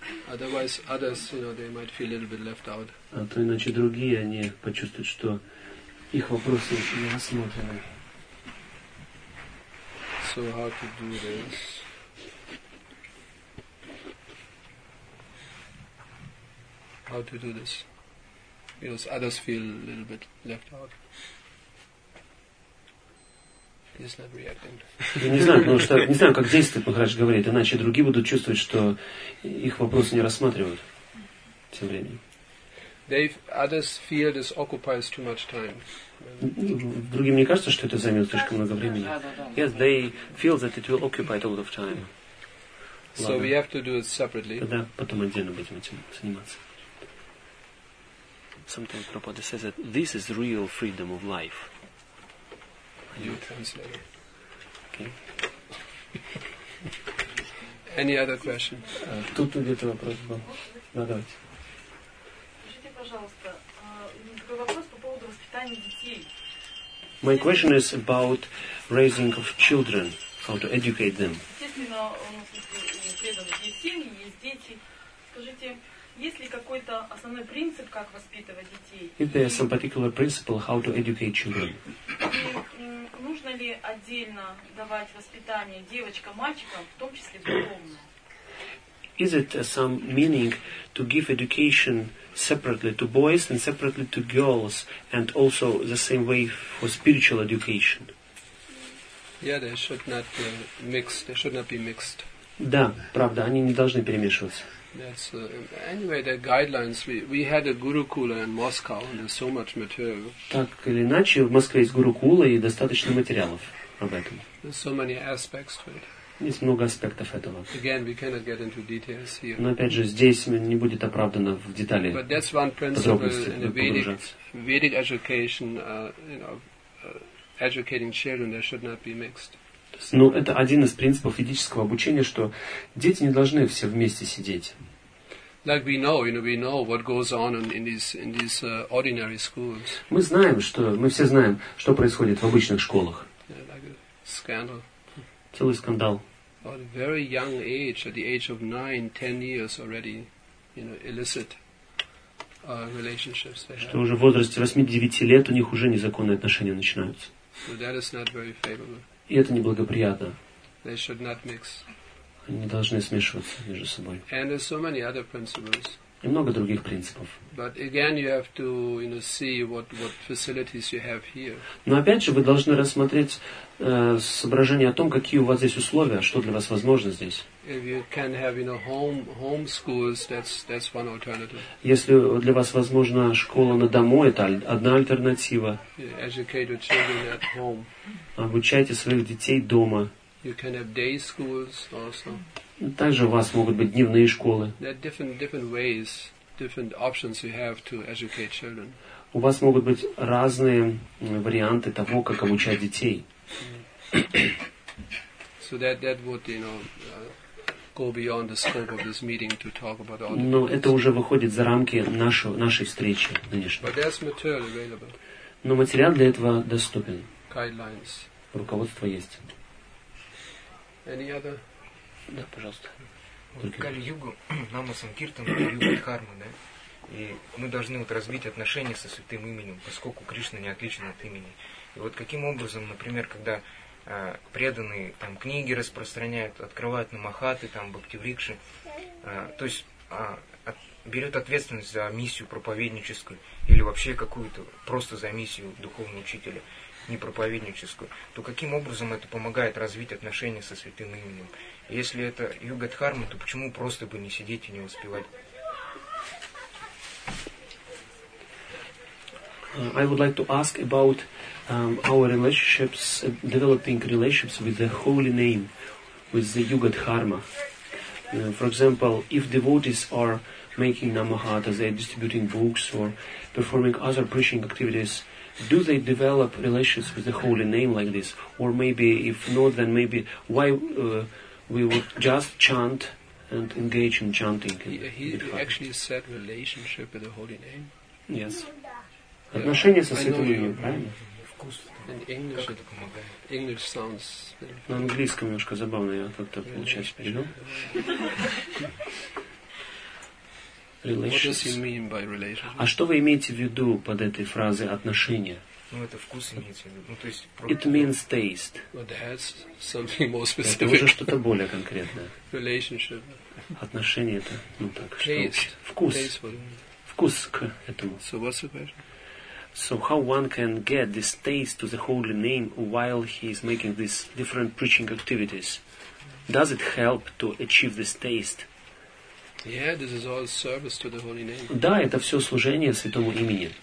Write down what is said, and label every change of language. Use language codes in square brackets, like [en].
[en] Otherwise, others, you know, they might feel a little bit left out. [ru] А то иначе другие, они почувствуют, что их вопросы не рассмотрены. [en] So how to do this? How to do this? Because others feel a little bit left out. He's not reacting. [ru] Я не знаю, потому что не знаю, как действовать, Махарадж говорит, иначе другие будут чувствовать, что их вопросы не рассматривают тем временем. [en] Others feel this occupies too much time. [ru] Другим не кажется, что это займет слишком много времени. [en] Yes, they feel that it will occupy a lot of time. So we have to do it separately. [ru] Тогда потом отдельно будем этим заниматься. [en] Sometimes Prabhupada says that this is real freedom of life. You translate. Okay. Any other question? [ru] Тут где-то вопрос был. Да, давайте. Скажите, пожалуйста, такой вопрос по поводу воспитания детей. [en] My question is about raising of children, how to educate them. [ru] Естественно, у нас есть преданные семьи, есть дети. Скажите, есть ли какой-то основной принцип, как воспитывать детей? [en] Is there some particular principle how to educate children? [ru] Нужно ли отдельно давать воспитание девочкам, мальчикам, в том числе духовное? [en] Is it some meaning to give education separately to boys and separately to girls and also the same way for spiritual education? Yeah, they should not mix. They should not be mixed. [ru] Да, правда, они не должны перемешиваться. [en] That's anyway the guidelines. We had a Gurukula in Moscow, and there's so much material. [ru] Так или иначе, в Москве есть Гурукула и достаточно материалов об этом. [en] There's so many aspects to it. [ru] Есть много аспектов этого. [en] Again, we cannot get into details here. [ru] Но опять же, здесь не будет оправдано в детали подробности. Но это один из принципов ведического обучения, что дети не должны все вместе сидеть. [en] Like we know, you know, we know what goes on in these ordinary schools. [ru] Мы знаем, что мы все знаем, что происходит в обычных школах. [en] Scandal. [ru] Целый скандал. [en] At a very young age, at the age of 9-10 years already, you know, illicit relationships. [ru] Что уже в возрасте 8-9 лет у них уже незаконные отношения начинаются. [en] So that is not very favorable. [ru] И это неблагоприятно. [en] They should not mix. [ru] Они не должны смешиваться между собой. [en] And there's so many other principles. [ru] И много других принципов. [en] But again, you have to, you know, see what facilities you have here. [ru] Но опять же, вы должны рассмотреть соображение о том, какие у вас здесь условия, что для вас возможно здесь. [en] If you can have, you know, home schools, that's one alternative. [ru] Если для вас возможна школа на дому, это одна альтернатива. [en] Yeah, educate your children at home. [ru] Обучайте своих детей дома. [en] You can have day schools also. [ru] Также у вас могут быть дневные школы. [en] There are different ways, different options you have to educate children. [ru] У вас могут быть разные варианты того, как обучать детей. [en] So that would, you know, go beyond the scope of this meeting to talk about all. [ru] Но это уже выходит за рамки нашей встречи нынешней. [en] But there's material available. [ru] Но материал для этого доступен. [en] Guidelines. [ru] Руководство есть. [en] Any other? [ru] Да, пожалуйста. Вот Кали-Юга, Нама Санкиртан, Кали-Юга Дхарма, да? И мы должны вот развить отношения со святым именем, поскольку Кришна не отличен от имени. И вот каким образом, например, когда преданные там книги распространяют, открывают намахаты, там, бхакти-врикши, то есть берет ответственность за миссию проповедническую или вообще какую-то просто за миссию духовного учителя, не проповедническую, то каким образом это помогает развить отношения со святым именем? Если это Юга Дхарма, то почему просто бы не сидеть и не успевать? [en] I would like to ask about our relationships, developing relationships with the holy name, with the Yuga Dharma. For example, if devotees are making namahata, they are distributing books or performing other preaching activities, do they develop relations with the holy name like this? Or maybe if not, then maybe why we would just chant and engage in chanting? He actually said relationship with the holy name. Yes. [ru] Отношения со святым именем, правильно? Вкус. [en] In English it [ru] помогает. [en] English sounds. [ru] На английском немножко забавно, я как-то получается перевел. [en] Relations. What does he mean by relationship? [ru] А что вы имеете в виду под этой фразой отношения? Ну, это вкус имеете в виду. Ну, то есть, [en] it means taste. But that's something more specific. [ru] Это уже что-то более конкретное. [en] Relationship. [ru] Отношения это, ну так, [en] taste. [ru] Что вкус. [en] Taste. [ru] Вкус к этому. [en] So what's the question? So how one can get this taste to the holy name while he is making these different preaching activities? Does it help to achieve this taste? Yeah, this is all service to the holy name. [ru] Да, это все служение святому имени.